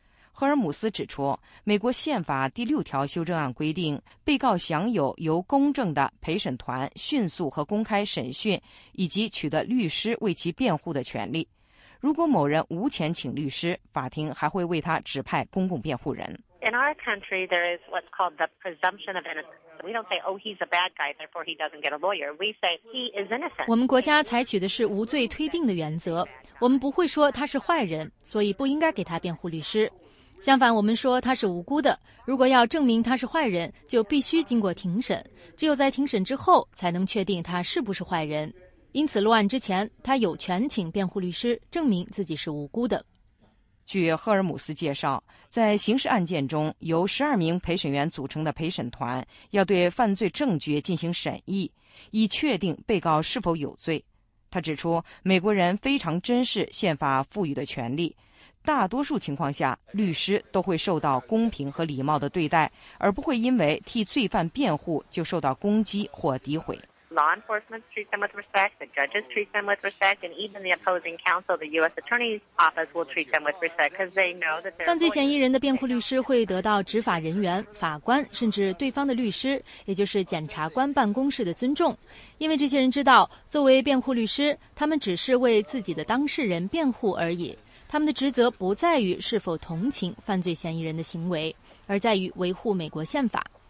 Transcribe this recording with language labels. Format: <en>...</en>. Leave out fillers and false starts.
<zh>赫尔姆斯指出，美国宪法第6条修正案规定，被告享有由公正的陪审团迅速和公开审讯以及取得律师为其辩护的权利。如果某人无钱请律师，法庭还会为他指派公共辩护人。</zh> <en>In our country, there is what's called the presumption of innocence. We don't say, "Oh, he's a bad guy, therefore he doesn't get a lawyer." We say he is innocent.</en> <zh>我们国家采取的是无罪推定的原则。我们不会说他是坏人，所以不应该给他辩护律师。相反，我们说他是无辜的。如果要证明他是坏人，就必须经过庭审。只有在庭审之后，才能确定他是不是坏人。因此，落案之前，他有权请辩护律师证明自己是无辜的。据赫尔姆斯介绍，在刑事案件中，由12名陪审员组成的陪审团要对犯罪证据进行审议，以确定被告是否有罪。他指出，美国人非常珍视宪法赋予的权利，大多数情况下，律师都会受到公平和礼貌的对待，而不会因为替罪犯辩护就受到攻击或诋毁。</zh> <en>Law enforcement treats them with respect, the judges treat them with respect, and even the opposing counsel, the U.S. Attorney's Office, will treat them with respect because they know that they're.</en> <zh>犯罪嫌疑人的辩护律师会得到执法人员、法官，甚至对方的律师，也就是检察官办公室的尊重，因为这些人知道，作为辩护律师，他们只是为自己的当事人辩护而已。他们的职责不在于是否同情犯罪嫌疑人的行为，而在于维护美国宪法。</zh>